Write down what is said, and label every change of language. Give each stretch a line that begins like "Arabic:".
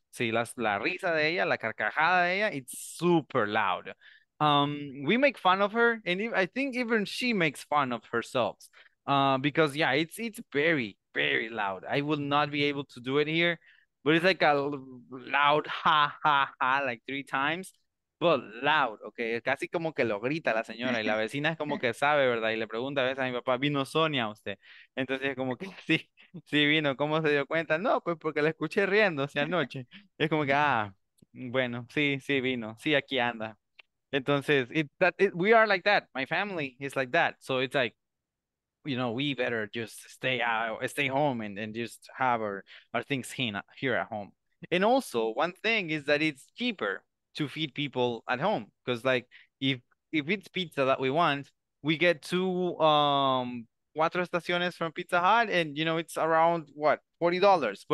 Spanish: Sí, la risa de ella, la carcajada de ella, it's super loud.
English: We make fun of her, and I think even she makes fun of herself. Because, yeah, it's very, very loud. I will not be able to do it here. But it's like a loud ha, ha, ha, like three times. But loud, okay.
Spanish: Casi como que lo grita la señora y la vecina es como que sabe, ¿verdad? Y le pregunta a veces a mi papá, ¿vino Sonia usted? Entonces es como que sí, sí vino. ¿Cómo se dio cuenta? No, pues porque la escuché riendo hace anoche. Es como que, ah, bueno, sí, sí vino. Sí, aquí anda. Entonces, we are like that.
English: My family is like that. So it's like, you know, we better just stay home and just have our things here at home. And also, one thing is that it's cheaper to feed people at home, because like if it's pizza that we want, we get two cuatro estaciones from Pizza Hut, and you know, it's around what, $40.